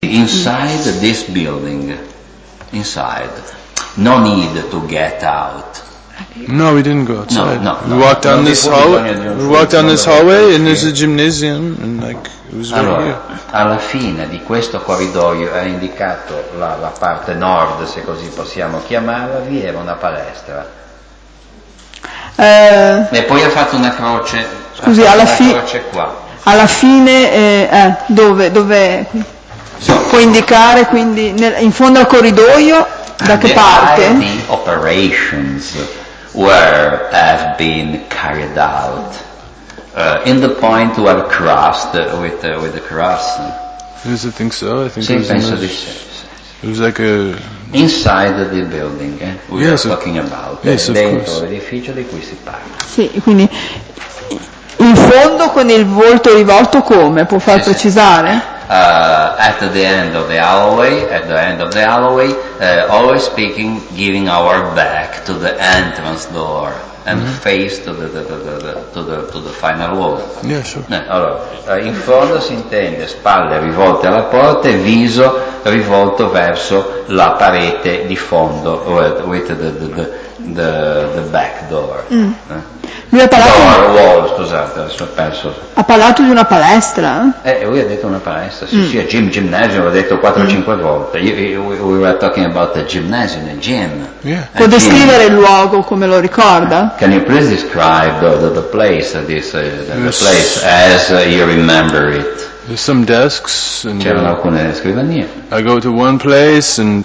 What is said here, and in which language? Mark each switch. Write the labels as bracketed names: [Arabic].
[English] Inside this building, inside, no need to get out. No, we didn't go outside. We walked down this hallway, and there's a gymnasium, and like it was [Italian] allora, [English] right here. [Italian] Alla fine di questo corridoio è indicato la parte nord, se così possiamo chiamarla, vi era una palestra. E poi ha fatto una croce. Scusi, una alla croce qua. Alla fine dove può indicare, quindi in fondo al corridoio, da che parte? [English] The operations were have been carried out in the point where crossed with the cross. Yes, I think so. I think it was like a inside the building. We are talking about. Yes, of [Italian] dentro l'edificio di cui si parla. Sì, quindi in fondo con il volto rivolto come? Può far precisare? [English] At the end of the hallway, always speaking, giving our back to the entrance door and face to the final wall. Yeah, sure. [Italian] Allora, in fondo si intende spalle rivolte alla porta e viso rivolto verso la parete di fondo, [English] with the back door. [Italian] Lui ha parlato [English] door wall, [Italian] scusate, adesso ho perso. Ha parlato di una palestra? Lui ha detto una palestra, sì, gymnasium, l'ha detto 4-5 volte. [English] We were talking about the gymnasium, the gym. Yeah. [Italian] Può a descrivere gym. Il luogo come lo ricorda? [English] Can you please describe the place, the place as you remember it? There's some desks and [Italian] c'erano alcune scrivanie. [English] I go to one place and